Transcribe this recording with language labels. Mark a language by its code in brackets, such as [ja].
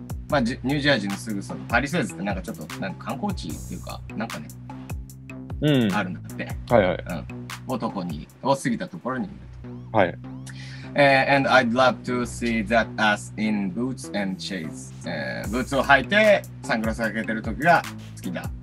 [ja] まあ、ニュージャージーのすぐそば。パリセイズってなんかちょっと、なんか観光地っていうか、なんかね。うん、あるんだって。はいはい。うん、男に、を過ぎたところにいると。はい。 [en] And I'd love to see that ass in boots and shades. [ja] ブーツを履いて、サングラスをかけてる時が好きだ。